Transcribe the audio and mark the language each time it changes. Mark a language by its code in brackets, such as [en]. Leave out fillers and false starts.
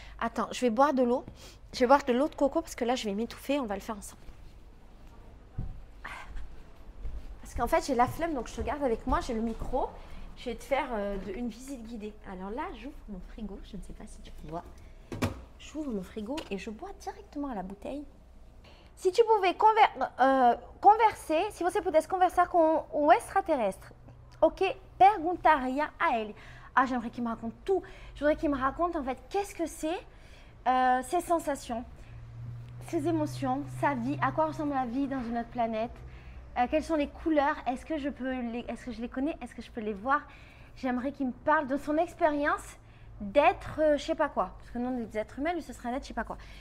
[fr] Attends, je vais boire de l'eau. Je vais boire de l'eau de coco parce que là, je vais m'étouffer. On va le faire ensemble. Parce qu'en fait, j'ai la flemme, donc je te garde avec moi. J'ai le micro. Je vais te faire une visite guidée. Alors là, j'ouvre mon frigo. Je ne sais pas si tu vois. J'ouvre mon frigo et je bois directement à la bouteille. Si tu pouvais converser, [pt] si você pudesse conversar com um extraterrestre, ok, perguntaria a ele. [fr] Ah, j'aimerais qu'il me raconte tout. Je voudrais qu'il me raconte en fait qu'est-ce que c'est ses sensations, ses émotions, sa vie, à quoi ressemble la vie dans une autre planète, quelles sont les couleurs, est-ce que je les connais, est-ce que je peux les voir. J'aimerais qu'il me parle de son expérience d'être je sais pas quoi, parce que nous on est des êtres humains, lui ce serait un être je sais pas quoi.